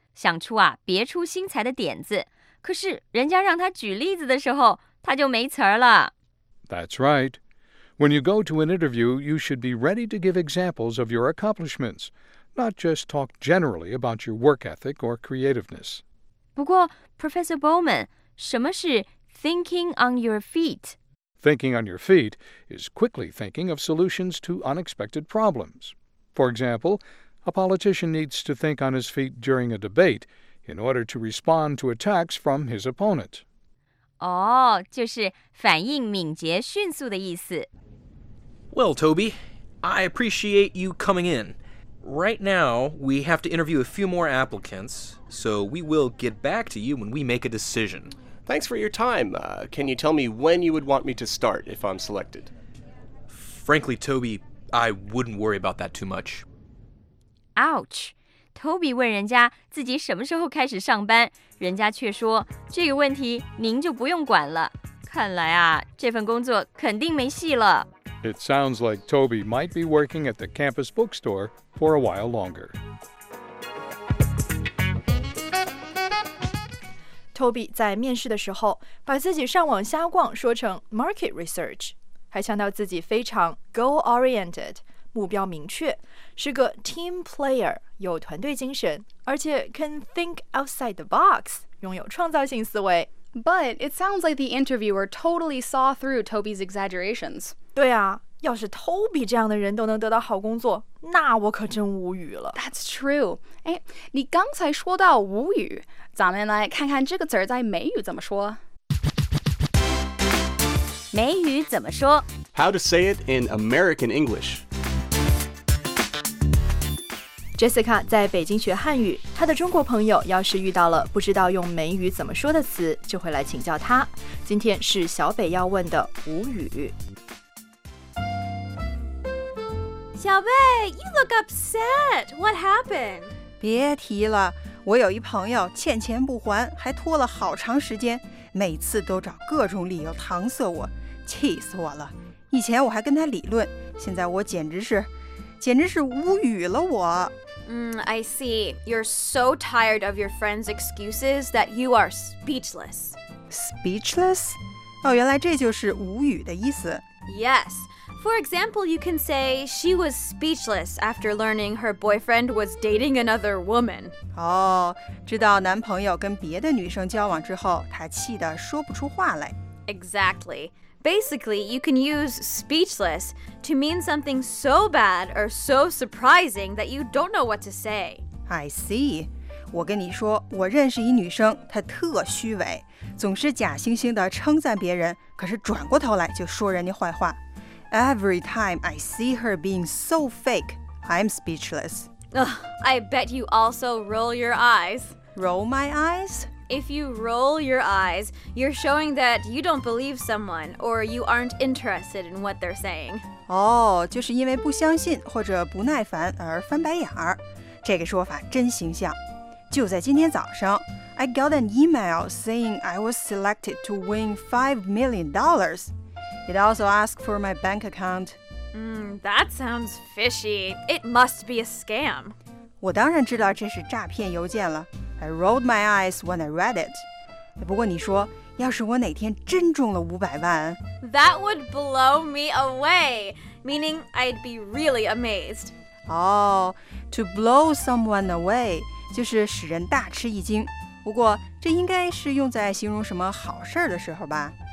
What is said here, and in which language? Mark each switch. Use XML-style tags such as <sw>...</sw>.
<zh>想出啊别出心裁的点子，可是人家让他举例子的时候，他就没词儿了。</zh> <en>That's right. When you go to an interview, you should be ready to give examples of your accomplishments, not just talk generally about your work ethic or creativeness.</en> <zh>不过</zh> <en>Professor Bowman,</en> <zh>什么是</zh> <en>thinking on your feet? Thinking on your feet is quickly thinking of solutions to unexpected problems. For example, a politician needs to think on his feet during a debate in order to respond to attacks from his opponent.</en> <zh>哦，就是反应敏捷、迅速的意思。</zh> <en>Well, Toby, I appreciate you coming in. Right now, we have to interview a few more applicants, so we will get back to you when we make a decision. Thanks for your time. Can you tell me when you would want me to start if I'm selected? Frankly, Toby, I wouldn't worry about that too much. Ouch!</en> <zh>Toby 问人家自己什么时候开始上班，人家却说，这个问题您就不用管了。看来啊，这份工作肯定没戏了。</zh> <en>It sounds like Toby might be working at the campus bookstore for a while longer.</en> <zh>Toby 在面试的时候把自己上网瞎逛说成 market research， 还强调自己非常 goal-oriented， 目标明确，是个 team player， 有团队精神，而且</zh> <en>can think outside the box，</en> <zh>拥有创造性思维。</zh> <en>But it sounds like the interviewer totally saw through Toby's exaggerations.</en> <zh>对啊，要是 Toby 这样的人都能得到好工作，那我可真无语了。</zh> <en>That's true.</en> <zh>哎，你刚才说到无语，咱们来看看这个词在美语怎么说。美语怎么说？</zh> <en>How to say it in American English.</en> <zh>Jessica 在北京学汉语，她的中国朋友要是遇到了不知道用美语怎么说的词，就会来请教她。今天是小北要问的无语。</zh> <en>小贝 ，You look upset. What happened?</en> <zh>别提了，我有一朋友欠钱不还，还拖了好长时间，每次都找各种理由搪塞我，气死我了。以前我还跟他理论，现在我简直是无语了我。</zh> <en>I see. You're so tired of your friend's excuses that you are speechless. Speechless?</en> <zh>哦，原来这就是无语的意思。</zh> <en>Yes. For example, you can say she was speechless after learning her boyfriend was dating another woman.</en> <zh>哦，知道男朋友跟别的女生交往之后，她气得说不出话来。</zh> <en>Exactly. Basically, you can use speechless to mean something so bad or so surprising that you don't know what to say. I see.</en> <zh>我跟你说，我认识一女生，她特虚伪，总是假惺惺地称赞别人，可是转过头来就说人家坏话。</zh> <en>Every time I see her being so fake, I'm speechless. Ugh, I bet you also roll your eyes. Roll my eyes? If you roll your eyes, you're showing that you don't believe someone or you aren't interested in what they're saying.</en> <zh>哦，就是因为不相信或者不耐烦而翻白眼儿。这个说法真形象。就在今天早上，</zh> <en>I got an email saying I was selected to win $5 million. It also asked for my bank account. That sounds fishy. It must be a scam.</en> <zh>我当然知道这是诈骗邮件了。</zh> <en>I rolled my eyes when I read it.</en> <zh>不过你说，要是我哪天真中了500万</zh> <en>That would blow me away. Meaning, I'd be really amazed. Oh, to blow someone away</en> <zh>就是使人大吃一惊。不过这应该是用在形容什么好事的时候吧。</zh>